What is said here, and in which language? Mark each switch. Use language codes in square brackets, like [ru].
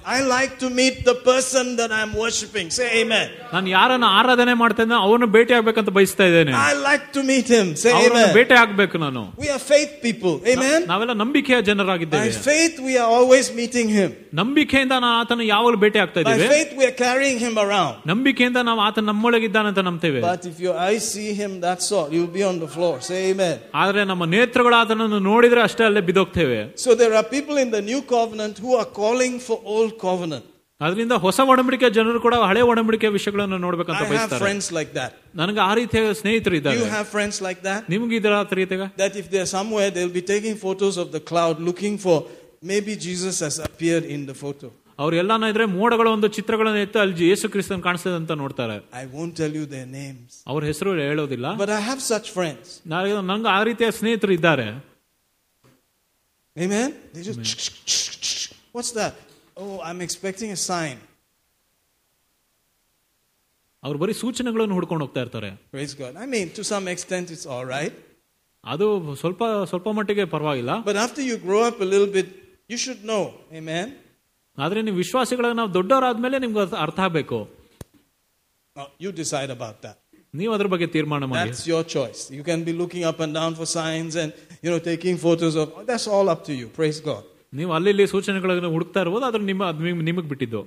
[en] I like to meet the person that I'm worshipping. Say amen. [kn] ನಾನು ಯಾರನ್ನ ಆರಾಧನೆ ಮಾಡ್ತೇನೆ ಅವನು ಭೇಟಿ ಆಗಬೇಕಂತ ಬಯಸ್ತಾ ಇದ್ದೇನೆ. [en] I like to meet him. Say amen. [kn] ಅವನನ್ನ ಭೇಟಿ ಆಗಬೇಕು ನಾನು. [en] We are faith people. Amen. [kn] ನಾವೆಲ್ಲ ನಂಬಿಕೆಯ ಜನರಾಗಿದ್ದೇವೆ. [en] By faith we are always meeting him. [kn] ನಂಬಿಕೆಯಿಂದ ನಾವು ಆತನ ಯಾವಾಗಲೂ ಭೇಟಿ ಆಗ್ತಾ ಇದ್ದೇವೆ. [en] By faith we are carrying him around. [kn] ನಂಬಿಕೆಯಿಂದ ನಾವು ಆತನ ನಮ್ಮೊಳಗೆ ಇದ್ದಾನೆ ಅಂತ ನಂಬುತ್ತೇವೆ. [en] But if your eyes see him, that's all. You'll be on the floor. Say amen. [kn] ಆದರೆ ನಮ್ಮ ನೇತ್ರಗಳು ಆತನನ್ನು ನೋಡಿದ್ರೆ ಅಷ್ಟೇ ಅಲ್ಲೇ ಬಿದ್ದೋಗ್ತೇವೆ. [en] So there are people in the new covenant who are calling for old covenant. [kn] ಅದರಿಂದ ಹೊಸ ಒಡಂಬಡಿಕೆ ಜನರು ಕೂಡ ಹಳೆ ಒಡಂಬಡಿಕೆ ವಿಷಯಗಳನ್ನು ನೋಡಬೇಕಂತ ಬಯಸ್ತಾರೆ. ನನಗೆ ಆ ರೀತಿಯ ಸ್ನೇಹಿತರು ಇದ್ದಾರೆ. [en] You have friends like that? [kn] ನಿಮಗೆ ಇದರ ಆತರ ಇದೆಯಾ? [en] That if they are somewhere, they'll be taking photos of the cloud looking for maybe Jesus has appeared in the photo. [kn] ಅವರೆಲ್ಲಾನ ಇದ್ರೆ ಮೋಡಗಳ ಒಂದು ಚಿತ್ರಗಳನ್ನು ಎತ್ತು ಅಲ್ಲಿ ಯೇಸು ಕ್ರಿಸ್ತನ್ ಕಾಣಿಸ್ತದೆ ಅಂತ ನೋಡ್ತಾರೆ. [en] I won't tell you their names. [kn] ಅವ್ರ ಹೆಸರು ಹೇಳೋದಿಲ್ಲ. [en] But I have such friends. [kn] ನನಗೆ ಆ ರೀತಿಯ ಸ್ನೇಹಿತರು ಇದ್ದಾರೆ. [en] Amen. They just what's that? Oh, I'm expecting a sign. [kn] ಅವ್ರು ಬರೀ ಸೂಚನೆಗಳನ್ನು ಹುಡ್ಕೊಂಡು ಹೋಗ್ತಾ ಇರ್ತಾರೆ. [en] Praise God. I mean, to some extent it's all right. [kn] ಅದು ಸ್ವಲ್ಪ ಸ್ವಲ್ಪ ಮಟ್ಟಿಗೆ ಪರವಾಗಿಲ್ಲ. [en] But after you grow up a little bit, you should know. Amen. [kn] ಆದರೆ ನೀವು ವಿಶ್ವಾಸಿಗಳಾಗಿ ನಾವು ದೊಡ್ಡವರಾದ್ಮೇಲೆ ನಿಮ್ಗೆ ಅರ್ಥ ಆಗಬೇಕು. [en] You decide about that. [kn] ನೀವು ಅದ್ರ ಬಗ್ಗೆ ತೀರ್ಮಾನ ಮಾಡಿ. [en] That's your choice. You can be looking up and down for signs and you know taking photos of that's all up to you. Praise God. [kn] ನೀವು ಅಲ್ಲಿ ಸೂಚನೆಗಳನ್ನು ಹುಡುಕ್ತಾ ಇರಬಹುದು, ಆದ್ರೆ ನಿಮ್ಮ ನಿಮಗೆ ಬಿಟ್ಟಿದ್ದು.